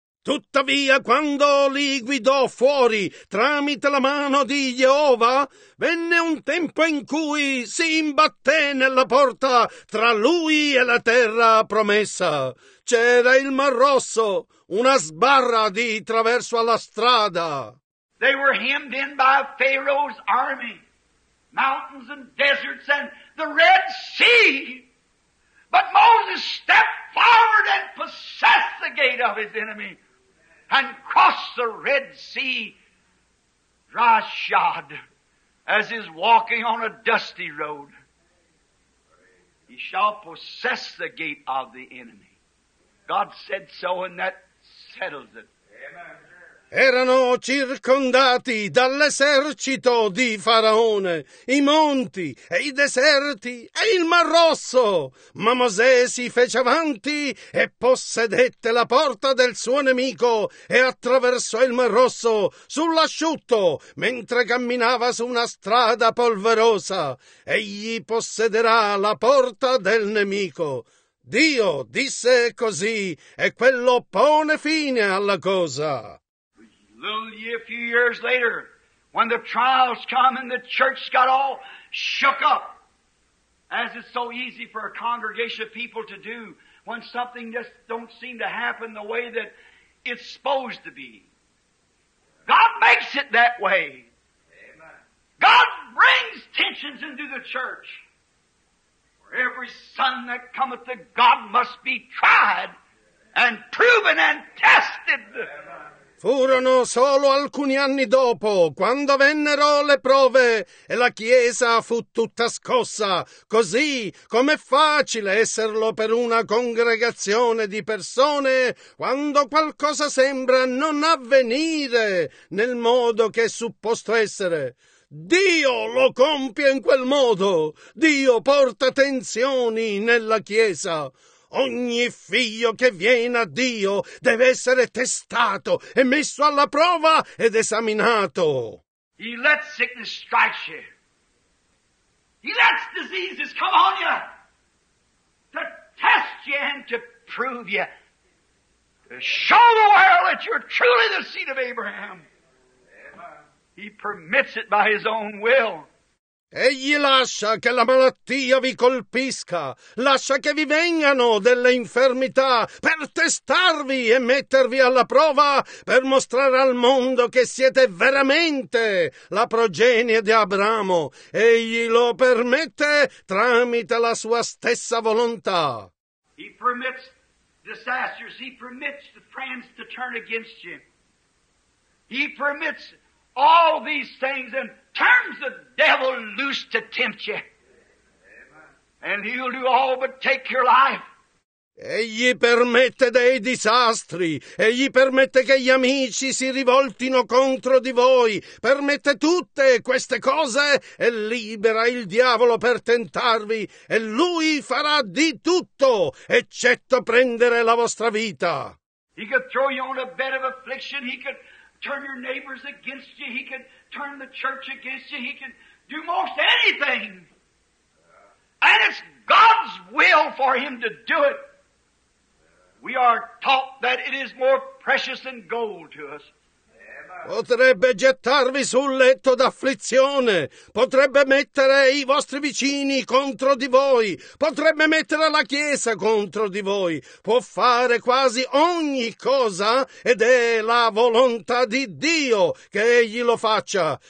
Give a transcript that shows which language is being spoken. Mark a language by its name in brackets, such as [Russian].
[Italian] Tuttavia, quando li guidò fuori tramite la mano di Geova, venne un tempo in cui si imbatté nella porta tra lui e la terra promessa. C'era il Mar Rosso, una sbarra di traverso alla strada. [English] They were hemmed in by Pharaoh's army, mountains and deserts and the Red Sea. But Moses stepped forward and possessed the gate of his enemy and crossed the Red Sea dry shod as is walking on a dusty road. He shall possess the gate of the enemy. God said so, and that settles it. [Italian] Erano circondati dall'esercito di Faraone, i monti e i deserti e il Mar Rosso. Ma Mosè si fece avanti e possedette la porta del suo nemico e attraversò il Mar Rosso sull'asciutto mentre camminava su una strada polverosa. Egli possederà la porta del nemico. Dio disse così e quello pone fine alla cosa. [English] Only a few years later, when the trials come and the church got all shook up, as it's so easy for a congregation of people to do when something just don't seem to happen the way that it's supposed to be. God makes it that way. Amen. God brings tensions into the church. For every son that cometh to God must be tried and proven and tested. Amen. [Italian] Furono solo alcuni anni dopo, quando vennero le prove, e la Chiesa fu tutta scossa, così com'è facile esserlo per una congregazione di persone quando qualcosa sembra non avvenire nel modo che è supposto essere. Dio lo compie in quel modo, Dio porta tensioni nella Chiesa. Ogni figlio che viene a Dio deve essere testato e messo alla prova ed esaminato. [English] He lets sickness strike you. He lets diseases come on you to test you and to prove you, to show the world that you're truly the seed of Abraham. He permits it by his own will. [Italian] Egli lascia che la malattia vi colpisca, lascia che vi vengano delle infermità per testarvi e mettervi alla prova, per mostrare al mondo che siete veramente la progenie di Abramo. Egli lo permette tramite la sua stessa volontà. [English] He permits disasters, he permits the friends to turn against you. He permits all these things and turns the devil loose to tempt you. And he'll do all but take your life. [Italian] Egli permette dei disastri, egli permette che gli amici si rivoltino contro di voi, permette tutte queste cose e libera il diavolo per tentarvi, e lui farà di tutto, eccetto prendere la vostra vita. [English] He could throw you on a bed of affliction, he could turn your neighbors against you, he could turn the church against you. He can do most anything. And it's God's will for him to do it. We are taught that it is more precious than gold to us. [Italian] Potrebbe gettarvi sul letto d'afflizione, potrebbe mettere i vostri vicini contro di voi, potrebbe mettere la Chiesa contro di voi, può fare quasi ogni cosa ed è la volontà di Dio che egli lo faccia.